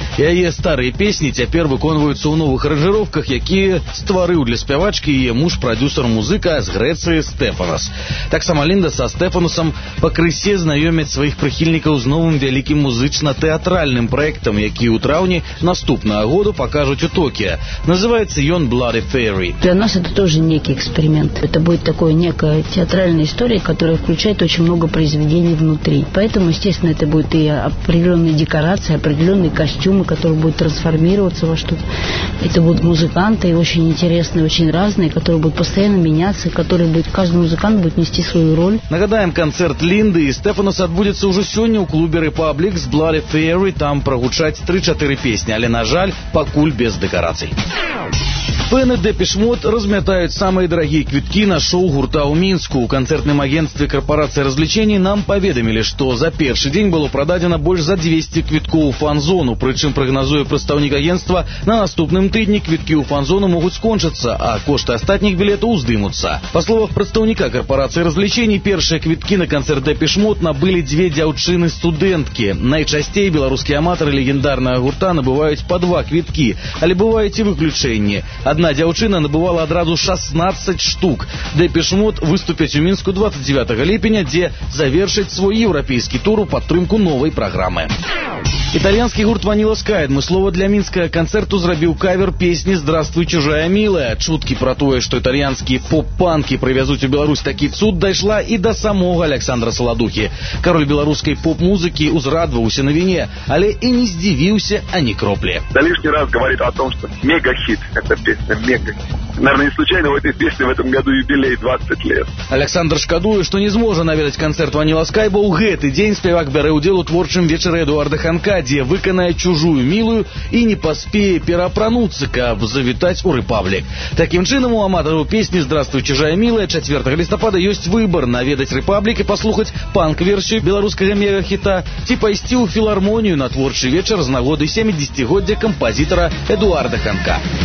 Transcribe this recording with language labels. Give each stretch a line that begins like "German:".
Belarusian: Яе старыя песні цяпер выконваюцца ў новых аранжыроўках, якія стварыў для спявачкі яе муж-прадзюсар-музыка з Грэцыі Стэфанас. Таксама Лінда са Стэфанасам пакрысе знаёмяць сваіх прыхільнікаў з новым вялікім музычна-тэатральным праектам, які ў траўні наступнага году пакажуць у Токіа. Называецца ён Bloody Fairy.
Russian: Для нас это тоже некий эксперимент. Это будет такое некое театральная история, которая включает очень много произведений внутри. Поэтому, естественно, это будут и определенные декорации, определенные костюмы, которые будут трансформироваться во что-то. Это будут музыканты, очень интересные, очень разные, которые будут постоянно меняться, которые будут, каждый музыкант будет нести свою роль.
Belarusian: Нагадаем, концерт Линды и Стефанос отбудется уже сегодня у клуба Republic с Bloody Fairy. Там прогучать 3-4 песни, але, на жаль, покуль без декораций. Фэны Depeche Mode размятаюць самыя дарагія квіткі на шоу гурта ў Мінску. У канцэртным агенцтве карпарацыі развлечэнні нам паведамілі, што за першы дзень было прададзена больш за 200 квіткоў у фан-зону, прычым прагназуе прадстаўнік агенцтва, на наступным тыдні квіткі ў фан-зону могуць скончыцца, а кошты астатніх білетаў уздымуцца. Па словах прадстаўніка карпарацыі развлечэнні, першыя квіткі на канцэрт Depeche Mode набылі дзве дзяўчыны-студэнткі. Найчасцей беларускія аматары легендарнага гурта набываюць па два квіткі, але бываюць і выключэнні. Одна дзяўчына набывала адразу 16 штук. Depeche Mode выступяць у Мінску 29 ліпеня, дзе завершыць свой еўрапейскі тур у падтрымку новай праграмы. Італьянскі гурт Vanilla Sky адмыслова для мінскага канцэрту зрабіў кавер песні «Здравствуй, чужая мілая». Чуткі пра тое, што італьянскія поп-панкі прывязуць у Беларусь такі цуд, дайшла і да самога Аляксандра Саладухі. Кароль беларускай поп-музыкі узрадваўся на віне, але і не здзівіўся ані кроплі. Да лішні раз гаварыць о том, што мега-хіт, гэта песня мега-хіт.
Russian: Наверное, не случайно в этой песне в этом году юбилей 20 лет.
Belarusian: Аляксандр шкадуе, што не зможа наведаць канцэрт Vanilla Sky, бо ў гэты дзень спявак бярэ ўдзел у творчым вечары Эдуарда Ханка, дзе выканае чужую мілую і не паспее перапрануцца, каб завітаць у Рэпаблік. Такім чынам, у аматару песні «Здравствуй, чужая мілая» 4 лістапада ёсць выбар наведаць Рэпаблік і паслухаць панк-версію беларускага мега-хіта ці пайсці ў філармонію на творчы вечар з нагоды 70-годдзя кампазітара Эдуарда Ханка.